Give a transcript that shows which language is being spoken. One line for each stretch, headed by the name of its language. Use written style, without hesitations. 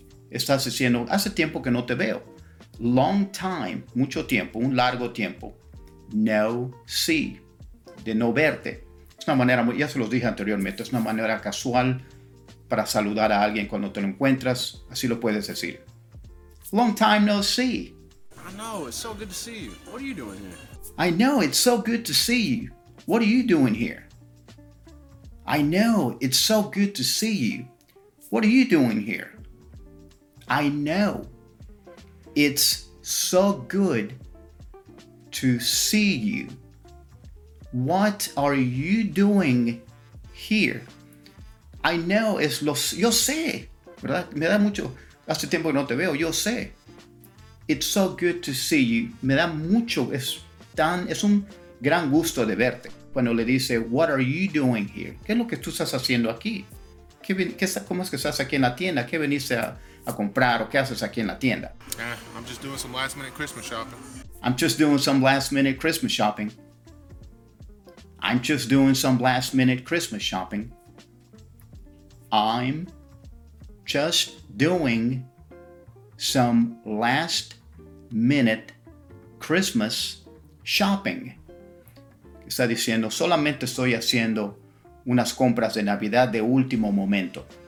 Spanish: Estás diciendo, hace tiempo que no te veo.
English: Long time,
Spanish: mucho tiempo, un largo tiempo.
English: No see,
Spanish: de no verte. Es una manera, ya se los dije anteriormente, es una manera casual para saludar a alguien cuando te lo encuentras. Así lo puedes decir.
English: Long time no see. I know, it's so good to see you. What are you doing here? I know, it's so good to see you. What are you doing here? I know, it's so good to see you. What are you doing here? I know. It's so good to see you. What are you doing here? I know,
Spanish: es los, yo sé, ¿verdad? Me da mucho, hace tiempo que no te veo, yo sé.
English: It's so good to see you.
Spanish: Me da mucho, es un gran gusto de verte. Cuando le dice,
English: what are you doing here?
Spanish: ¿Qué es lo que tú estás haciendo aquí? ¿Cómo es que estás aquí en la tienda? ¿Qué veniste a comprar o qué haces aquí en la tienda?
English: I'm just doing some last minute Christmas shopping. I'm just doing some last minute Christmas shopping. I'm just doing some last minute Christmas shopping. I'm just doing some last minute Christmas shopping.
Spanish: Está diciendo, solamente estoy haciendo unas compras de Navidad de último momento.